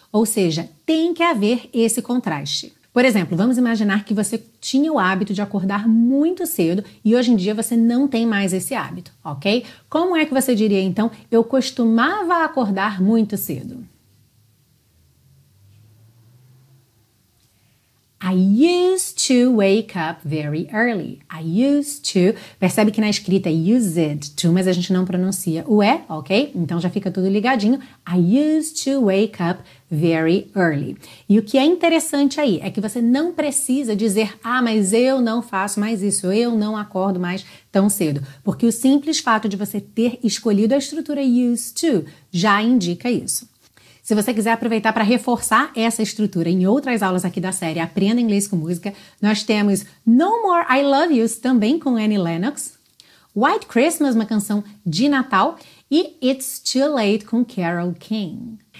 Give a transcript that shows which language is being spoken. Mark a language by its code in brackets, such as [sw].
[pt] Ou seja, tem que haver esse contraste. Por exemplo, vamos imaginar que você tinha o hábito de acordar muito cedo e hoje em dia você não tem mais esse hábito, ok? Como é que você diria então, eu costumava acordar muito cedo? [en] I used to wake up very early. I used to. [pt] Percebe que na escrita é used to, mas a gente não pronuncia o E, ok? Então já fica tudo ligadinho. [en] I used to wake up very early. [pt] E o que é interessante aí é que você não precisa dizer, ah, mas eu não faço mais isso, eu não acordo mais tão cedo. Porque o simples fato de você ter escolhido a estrutura used to já indica isso. Se você quiser aproveitar para reforçar essa estrutura em outras aulas aqui da série Aprenda Inglês com Música, nós temos No More I Love Yous, também com Annie Lennox, White Christmas, uma canção de Natal, e It's Too Late, com Carole King.